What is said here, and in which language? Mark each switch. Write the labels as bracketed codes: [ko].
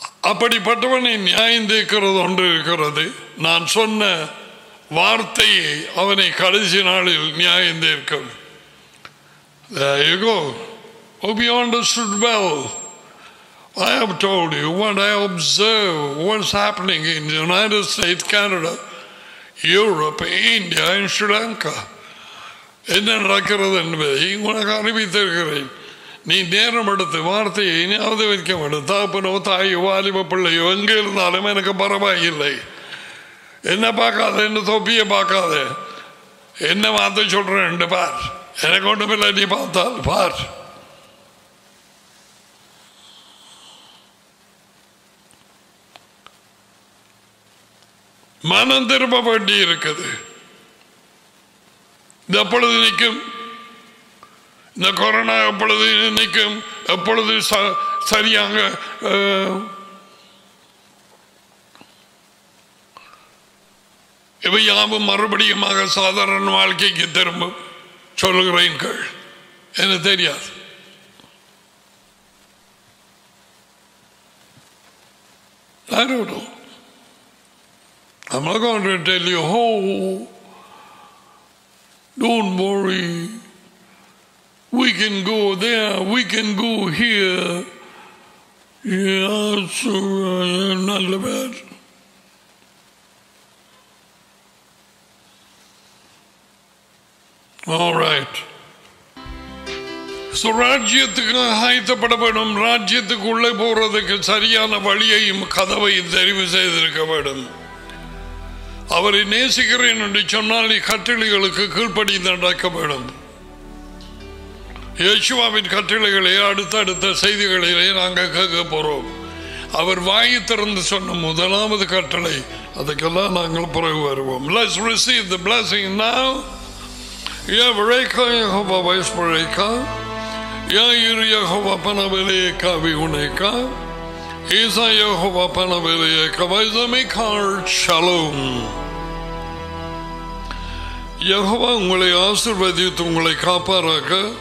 [ta] அப்படிப்பட்டவனை நியாயம் தீர்க்கிறது ஒன்று இருக்கிறது. நான் சொன்ன வார்த்தையை அவனை கடைசி நாளில் நியாயம் தீர்க்கும். [en] There you go. Hope you understood well. I have told you what I observe, what's happening in the United States, Canada, Europe, India and Sri Lanka. [ta] என்ன நடக்கிறது என்பதை உனக்கு அறிவித்திருக்கிறேன். நீ நேரம் எடுத்து வார்த்தையை ஞாபகம் வைக்க வேண்டும். தகப்பனோ தாயோ வாலிப பிள்ளையோ எங்கே இருந்தாலும் எனக்கு பரவாயில்லை. என்ன பார்க்காத, என்ன தொப்பிய பார்க்காத, என்ன வார்த்தை சொல்றேன் பார், எனக்கு ஒன்றுமில்லை, நீ பார்த்தால் பார். மனம் திரும்ப வேண்டி இருக்குது. இது எப்பொழுது நிற்கும்? இந்த கொரோனா எப்பொழுது நிற்கும்? எப்பொழுது சரியாக இவை யாவும் மறுபடியுமாக சாதாரண வாழ்க்கைக்கு திரும்ப சொல்லுகிறேன் கேள் என தெரியாது. [en] I'm not going to tell you, oh, don't worry. We can go there, we can go here. Yeah, so not the bad. All right. [ta] So, ராஜ்யத்துக்கு ஆயத்தப்பட வேண்டும். ராஜ்யத்துக்கு உள்ளே போறதுக்கு சரியான வழியையும் கதவையும் தெரிவு செய்திருக்க வேண்டும். அவரை நேசிக்கிறேன் என்று சொன்னால் நீ கட்டளைகளுக்கு கீழ்ப்படி நடக்க வேண்டும். யேசுவின் கட்டளைகளை அடுத்தடுத்த செய்திகளிலே நாங்கள் கேட்க போறோம். அவர் வாய் திறந்து சொன்ன முதலாவது கட்டளை, அதுக்கெல்லாம் நாங்கள் பிறகு வருவோம். [en] Let's receive the blessing now. [ta] உங்களை ஆசிர்வதித்து உங்களை காப்பாறாக